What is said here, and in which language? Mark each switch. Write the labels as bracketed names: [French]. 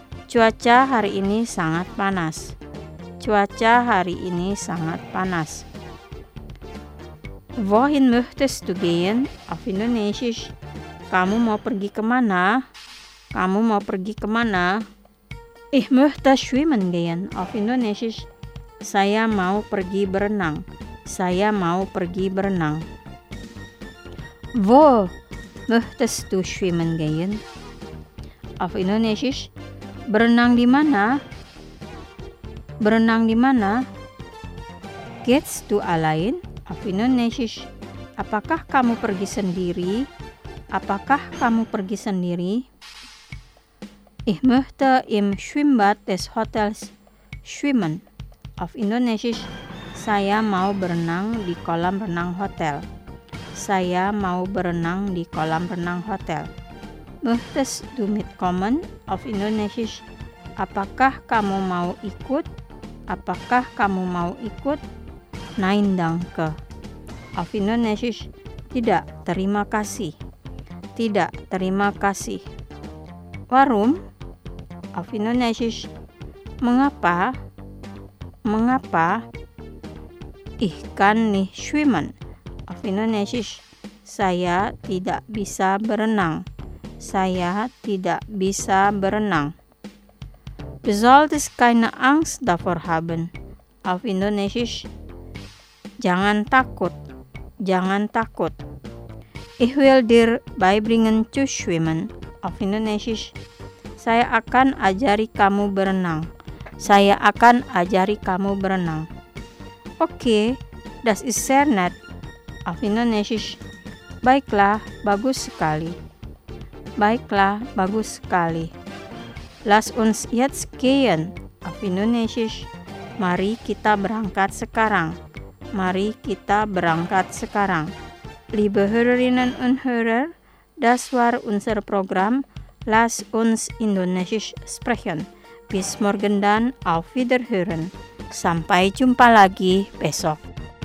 [Indonesian] Cuaca hari ini sangat panas. Cuaca hari ini sangat panas. [German] Wohin möchtest du gehen? Auf Indonesisch. [Indonesian] Kamu mau pergi kemana? Kamu mau pergi kemana? [German] Ich möchte schwimmen gehen. Auf Indonesisch. [Indonesian] Saya mau pergi berenang. Saya mau pergi berenang. [German] Wo? Möchtest du schwimmen gehen? Auf Indonesisch. [Indonesian] Berenang di mana? Berenang di mana? [German] Gehst du allein? Auf Indonesisch. [Indonesian] Apakah kamu pergi sendiri? Apakah kamu pergi sendiri? [German] Ich möchte im Schwimmbad des Hotels schwimmen. Auf Indonesisch. [Indonesian] Saya mau berenang di kolam renang hotel. Saya mau berenang di kolam renang hotel. [German] Möchtest du mitkommen? Auf Indonesisch. [Indonesian] Apakah kamu mau ikut? Apakah kamu mau ikut? [German] Nein, danke. Auf Indonesisch, [Indonesian] tidak, terima kasih. Tidak, terima kasih. [German] Warum? Auf Indonesisch, [Indonesian] mengapa? Mengapa? [German] Ich kann nicht schwimmen. Auf Indonesisch, [Indonesian] saya tidak bisa berenang. Saya tidak bisa berenang. [German] Du solltest keine Angst davor haben. Auf Indonesisch, [Indonesian] jangan takut. Jangan takut. [German] Ich will dir beibringen zu schwimmen. Auf Indonesisch, [Indonesian] saya akan ajari kamu berenang. Saya akan ajari kamu berenang. [German] Okay, das ist sehr nett. Auf Indonesisch, [Indonesian] baiklah, bagus sekali. Baiklah, bagus sekali. [German] Lass uns jetzt gehen. Auf Indonesisch, [Indonesian] mari kita berangkat sekarang. Mari kita berangkat sekarang. [German] Liebe Hörerinnen und Hörer, das war unser Programm Lass uns Indonesisch sprechen. Bis morgen dann, auf Wiederhören. [Indonesian] Sampai jumpa lagi besok.